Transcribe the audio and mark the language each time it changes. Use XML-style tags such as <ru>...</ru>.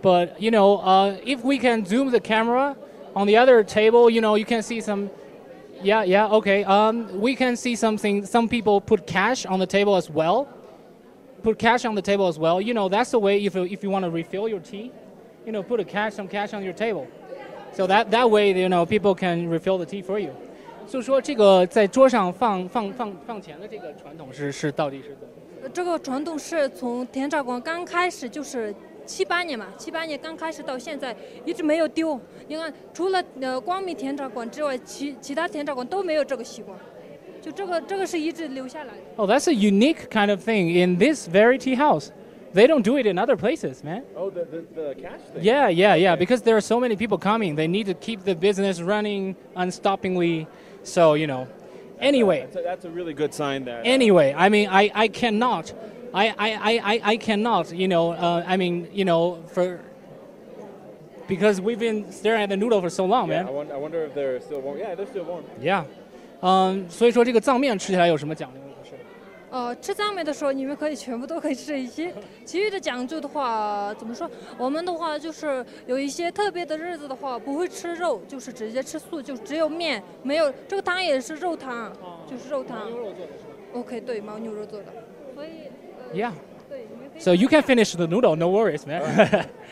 <en>But, you know, if we can zoom the camera on the other table, you know, you can see some, okay. We can see something, some people put cash on the table as well. You know, that's the way if you want to refill your tea, you know, put some cash on your table. So that way, you know, people can refill the tea for you.</en> <zh>就说这个在桌上放钱的这个传统是到底是怎么？这个传统是从甜茶馆刚开始就是七八年刚开始到现在一直没有丢。你看，除了光明甜茶馆之外，其他甜茶馆都没有这个习惯。就这个是一直留下来的。</zh> <en>Oh, that's a unique kind of thing in this very tea house. They don't do it in other places, man. Oh, the cash thing. Yeah, yeah, yeah. Because there are so many people coming, they need to keep the business running unstoppingly. So, you know. Anyway. That's a really good sign there. Anyway, I mean, I cannot. I cannot, you know, I mean, you know, for... Because we've been staring at the noodle for so long, yeah, man. I wonder if they're still warm. Yeah, they're still warm. Yeah.</en> <zh>所以说这个藏面吃起来有什么讲究？吃藏面的时候，你们可以全部都可以吃一些。其余的讲究的话，怎么说？我们的话就是有一些特别的日子的话，不会吃肉，就是直接吃素，就只有面，没有这个汤也是肉汤，就是肉汤。牛肉做的是。 OK， 对，牦牛肉做的。所以。</zh> <en>Yeah.</en> <zh>对，你们可以。</zh> <en>So you can finish the noodle, no worries, man.</en>